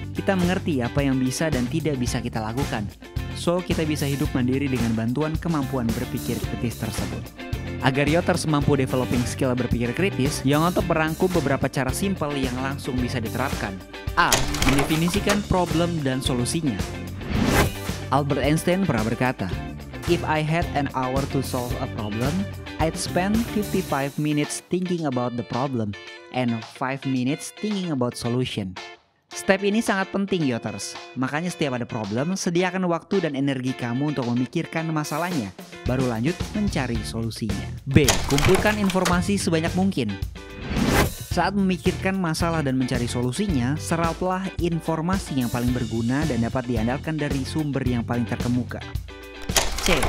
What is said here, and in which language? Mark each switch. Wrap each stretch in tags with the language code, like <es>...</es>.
<id>Kita mengerti apa yang bisa dan tidak bisa kita lakukan, so kita bisa hidup mandiri dengan bantuan kemampuan berpikir kritis tersebut. Agar Yoters mampu</id> <en>developing skill</en> <id>berpikir kritis, Yoto merangkum beberapa cara simple yang langsung bisa diterapkan. A. Mendefinisikan problem dan solusinya.</id> <en>Albert Einstein</en> <id>pernah berkata,</id> <en>"If I had an hour to solve a problem, I'd spend 55 minutes thinking about the problem and 5 minutes thinking about solution."</en> <id>Step ini sangat penting, Yoters. Makanya setiap ada problem, sediakan waktu dan energi kamu untuk memikirkan masalahnya, baru lanjut mencari solusinya. B. Kumpulkan informasi sebanyak mungkin. Saat memikirkan masalah dan mencari solusinya, serahlah informasi yang paling berguna dan dapat diandalkan dari sumber yang paling terkemuka. C.</id>